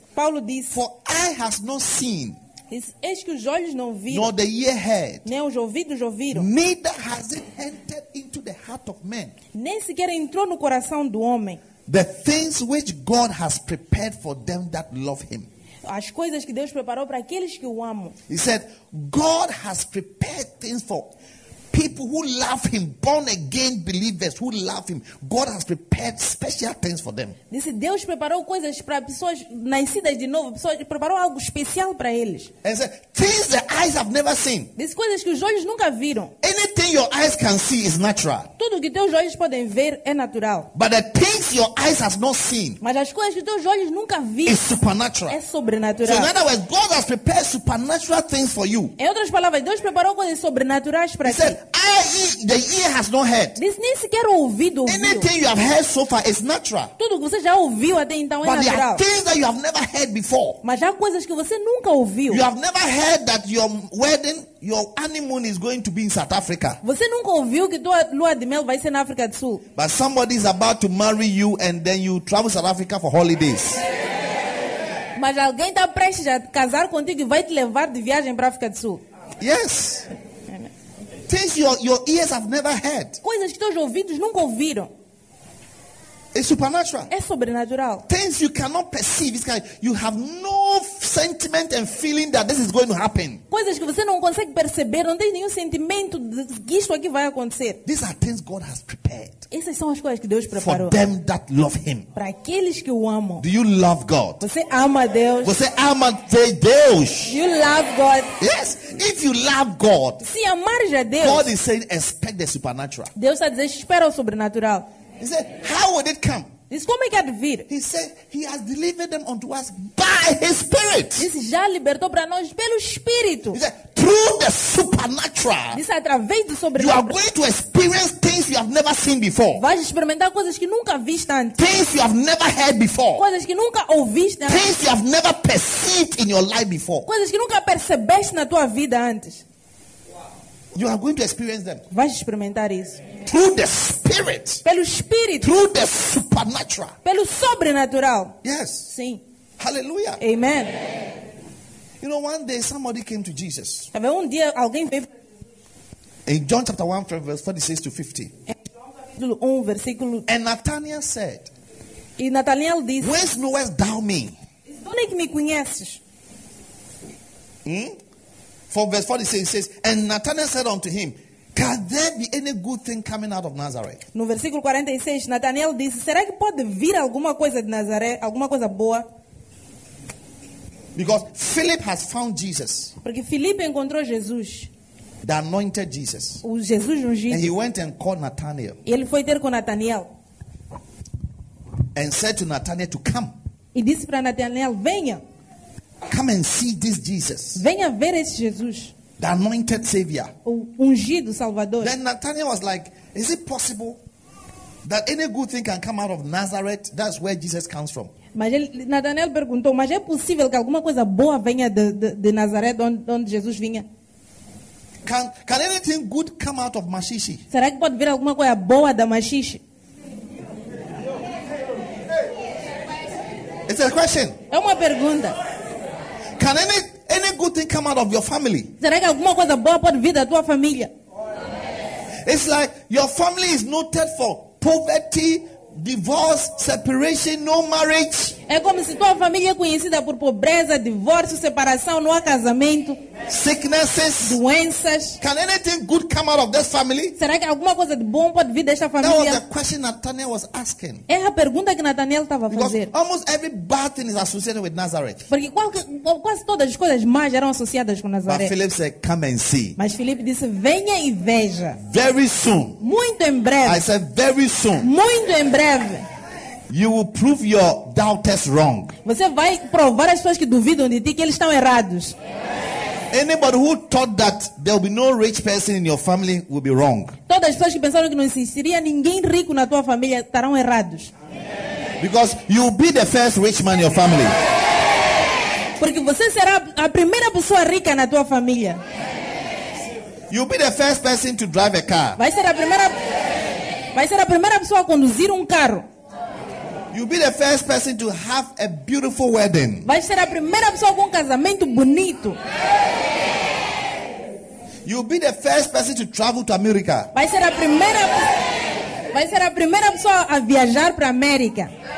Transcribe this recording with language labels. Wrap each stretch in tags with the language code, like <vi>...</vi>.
<pt>Paulo disse.</pt> <en>For eye has not seen.</en> <pt>Eis que os olhos não viram.</pt> <en>Nor the ear heard.</en> <pt>Nem os ouvidos ouviram.</pt> <en>Neither has it entered into the heart of man.</en> <pt>Nem sequer entrou no coração do homem.</pt> <en>The things which God has prepared for them that love him.</en> <pt>As coisas que Deus preparou para aqueles que o amam.</pt> <en>He said, God has prepared things for people who love him, born again believers who love him. God has prepared special things for them.</en> <pt>Disse, Deus preparou coisas para pessoas nascidas de novo, pessoas preparou algo especial para eles.</pt> <en>And said, things the eyes have never seen.</en> <pt>Disse, coisas que os olhos nunca viram.</pt> <en>Anything your eyes can see is natural.</en> <pt>Tudo que teus olhos podem ver é natural.</pt> <en>But the things your eyes has not seen.</en> <pt>Mas as coisas que teus olhos nunca viram.</pt> <en>Is supernatural.</en> <pt>É sobrenatural.</pt> <en>So in other words, God has prepared supernatural things for you.</en> <pt>Em outras palavras, Deus preparou coisas sobrenaturais para ti.</pt> <en>The ear has not heard.</en> <pt>Diz, nem sequer ouvido.</pt> <en>Anything you have heard so far is natural.</en> <pt>Tudo que você já ouviu até então é</pt> <en>but</en> <pt>natural.</pt> <en>But there are things that you have never heard before.</en> <pt>Mas há coisas que você nunca ouviu.</pt> <en>You have never heard that your wedding, your honeymoon is going to be in South Africa.</en> <pt>Você nunca ouviu que tua lua de mel vai ser na África do Sul.</pt> <en>But somebody is about to marry you and then you travel South Africa for holidays.</en> <pt>Mas alguém está prestes a casar contigo e vai te levar de viagem para África do Sul.</pt> <en>Yes. Things your ears have never heard.</en> <pt>Coisas que teus ouvidos nunca ouviram.</pt> <en>It's supernatural.</en> <pt>É sobrenatural.</pt> <en>Things you cannot perceive. It's like you have no sentiment and feeling that this is going to happen.</en> <pt>Coisas que você não consegue perceber, não tem nenhum sentimento de que isto aqui vai acontecer.</pt> <en>These are things God has prepared.</en> <pt>Essas são as coisas que Deus preparou.</pt> <en>For them that love him.</en> <pt>Para aqueles que o amam.</pt> <en>Do you love God?</en> <pt>Você ama Deus? Você ama Deus?</pt> <en>You love God? Yes. If you love God.</en> <pt>Se amares a Deus.</pt> <en>God is saying expect the supernatural.</en> <pt>Deus está dizendo espera o sobrenatural.</pt> <en>He said, how would it come?</en> <pt>Diz como é que há de vir?</pt> <en>He said he has delivered them unto us by his spirit.</en> <pt>Diz já libertou para nós pelo espírito.</pt> <en>He said, through the supernatural.</en> <pt>Diz através do sobrenatural.</pt> <en>You are going to experience things you have never seen before.</en> <pt>Vais experimentar coisas que nunca viste antes.</pt> <en>Things you have never heard before.</en> <pt>Coisas que nunca ouviste antes.</pt> <en>Things you have never perceived in your life before.</en> <pt>Coisas que nunca percebeste na tua vida antes.</pt> <en>You are going to experience them.</en> <pt>Vais experimentar isso.</pt> <en>Through the spirit.</en> <pt>Pelo espírito.</pt> <en>Through the supernatural.</en> <pt>Pelo sobrenatural.</pt> <en>Yes.</en> <pt>Sim.</pt> <en>Hallelujah.</en> <pt>Amen. Amen.</pt> <en>You know, one day somebody came to Jesus.</en> <pt>Sabe, dia alguém veio.</pt> <en>In John chapter 1, verse 46 to 50. And Nathanael said.</en> <pt>E Nathanael disse.</pt> <en>Whence knowest thou me?</en> <pt>Onde é que me conheces?</pt> <en>For verse 46 says, and Nathanael said unto him, can there be any good thing coming out of Nazareth?</en> <pt>No versículo 46, Nathanael disse, será que pode vir alguma coisa de Nazaré, alguma coisa boa?</pt> <en>Because Philip has found Jesus.</en> <pt>Porque Filipe encontrou Jesus.</pt> <en>The anointed Jesus.</en> <pt>O Jesus ungido.</pt> <en>And he went and called Nathanael.</en> <pt>E ele foi ter com Nathanael.</pt> <en>And said to Nathanael to come.</en> <pt>E disse para Nathanael, venha.</pt> <en>Come and see this Jesus.</en> <pt>Venha ver esse Jesus.</pt> <en>The anointed savior.</en> <pt>O ungido salvador.</pt> <en>Then Nathanael was like, is it possible that any good thing can come out of Nazareth? That's where Jesus comes from.</en> <pt>Mas ele, Nathanael perguntou, mas é possível que alguma coisa boa venha de Nazaré, onde Jesus vinha?</pt> <en>Can anything good come out of Maxixe?</en> <pt>Será que pode vir alguma coisa boa da Maxixe?</pt> <en>It's a question.</en> <pt>É uma pergunta.</pt> <en>Can any good thing come out of your family?</en> <pt>Será que alguma coisa boa pode vir da tua família?</pt> <en>It's like your family is noted for poverty, divorce, separation, no marriage.</en> <pt>É como se tua família é conhecida por pobreza, divórcio, separação, não há casamento.</pt> <en>Sicknesses.</en> <pt>Doenças.</pt> <en>Can anything good come out of this family?</en> <pt>Será que alguma coisa de bom pode vir desta família?</pt> <en>That was the question Nathanael was asking.</en> <pt>É a pergunta que Nathanael estava a fazer.</pt> <en>Almost every bad thing is associated with Nazareth.</en> <pt>Porque quase todas as coisas más eram associadas com Nazaré.</pt> <en>But Philip said, come and see.</en> <pt>Mas Filipe disse, venha e veja.</pt> <en>Very soon.</en> <pt>Muito em breve.</pt> <en>I said, very soon.</en> <pt>Muito em breve.</pt> <en>You will prove your doubters wrong.</en> <pt>Você vai provar as pessoas que duvidam de ti que eles estão errados.</pt> <en>Anybody who thought that there will be no rich person in your family will be wrong.</en> <pt>Todas as pessoas que pensaram que não existiria ninguém rico na tua família estarão errados.</pt> <en>Because you will be the first rich man in your family.</en> <pt>Porque você será a primeira pessoa rica na tua família.</pt> <en>You will be the first person to drive a car.</en> <pt>Vai ser a primeira pessoa a conduzir carro.</pt> <en>You'll be the first person to have a beautiful wedding.</en> <pt>Vai ser a primeira pessoa com casamento bonito.</pt> <en>You'll be the first person to travel to America.</en> <pt>Vai ser a primeira pessoa a viajar para América.</pt>